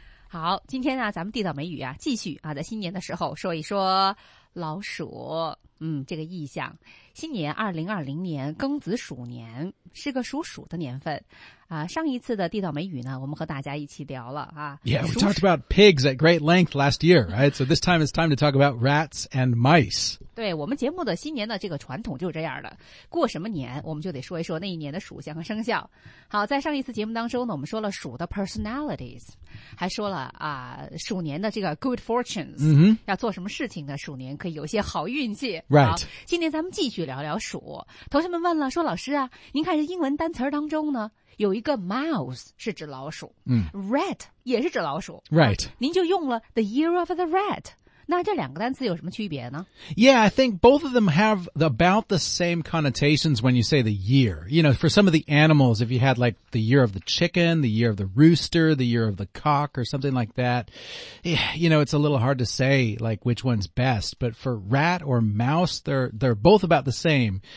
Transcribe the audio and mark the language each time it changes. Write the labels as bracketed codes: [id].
[zh] 好，今天呢，咱们地道美语啊，继续啊，在新年的时候说一说老鼠，这个意象。新年2020年庚子鼠年，是个属鼠的年份啊。上一次的地道美语呢，我们和大家一起聊了啊。 [en] Yeah, we talked about pigs at great length last year, right? So this time it's time to talk about rats and mice. [zh] 对，我们节目的新年的这个传统就是这样的，过什么年我们就得说一说那一年的属相和生肖。好，在上一次节目当中呢，我们说了鼠的 personalities, 还说了啊鼠年的这个 good fortunes,、 [en] mm-hmm. [zh] 要做什么事情呢，鼠年可以有一些好运气。 [en] Right. [zh] 好，今天咱们继续聊聊鼠。同学们问了，说老师啊，您看这英文单词当中呢，有一个 mouse 是指老鼠、rat 也是指老鼠。 [en] Right. [zh] 您就用了 the year of the rat。那这两个单词有什么区别呢？ [en] Yeah, I think both of them have about the same connotations when you say the year. You know, for some of the animals, if you had like the year of the chicken, the year of the rooster, the year of the cock or something like that, you know, it's a little hard to say like which one's best. But for rat or mouse, they're both about the same.